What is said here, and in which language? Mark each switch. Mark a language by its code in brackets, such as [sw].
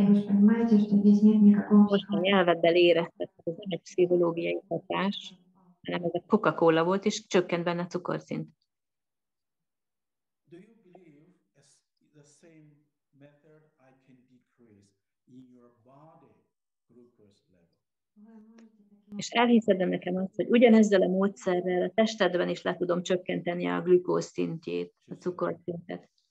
[hu] Most a nyelveddel éreztetek, ez nem egy pszichológiai hatás, hanem ez a Coca-Cola volt, és csökkent benne a cukorszint. [en] Do you believe the same method I can decrease in your body glucose level? [hu] És elhiszed nekem azt, hogy ugyanezzel a módszerrel a testedben is le tudom csökkenteni a glükóz szintjét, a cukorszintet.